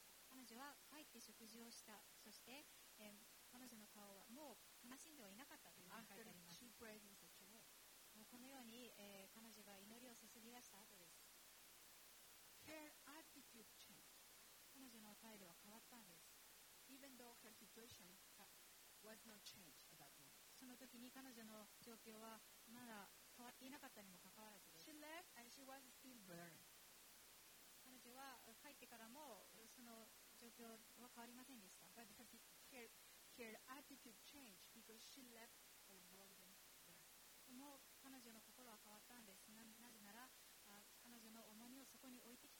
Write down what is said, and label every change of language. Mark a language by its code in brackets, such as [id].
[ja] 彼女は帰って食事をした。そして、彼女の顔はもう悲しんではいなかったというふうに書いてあります。 [en] After she prayed in such a way. [ja] もうこのように、彼女が祈りを注ぎ出した後です。 [en] Her attitude changed. [ja] 彼女の態度は変わったんです。 [en] Even though her situation was not changed at that moment. [ja] その時に彼女の状況はまだ変わっていなかったにもかかわらずです。 [en] She left and she was still burning. [ja] 彼女は帰ってからもその状況は変わりませんでした。 [en] But her attitude changed because she left a broken heart. [ja] もう彼女の心は変わったんです。なぜなら、彼女の重荷をそこに置